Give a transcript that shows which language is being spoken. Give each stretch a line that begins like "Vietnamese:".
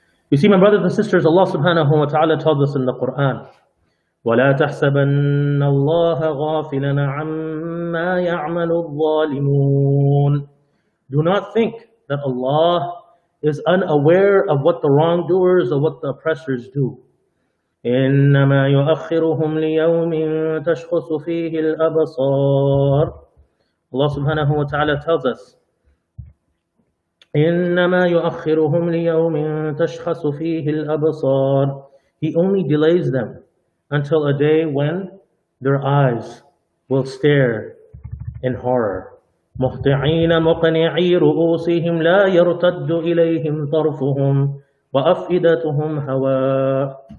English: You see, my brothers and sisters, Allah subhanahu wa ta'ala tells us in the Quran,
Arabic: وَلَا تَحْسَبَنَّ اللَّهَ غَافِلًا عَمَّا يَعْمَلُ الظَّالِمُونَ.
English: Do not think that Allah is unaware of what the wrongdoers or what the oppressors do.
Arabic: إنما يؤخرهم ليوم تشخص فيه الأبصار. Allah subhanahu wa ta'ala tells us, إنما يؤخرهم ليوم تشخص فيه الأبصار.
English: He only delays them until a day when their eyes will stare in horror.
Arabic: مهطعين مقنعي رؤوسهم لا يرتد إليهم طرفهم وأفئدتهم هواء.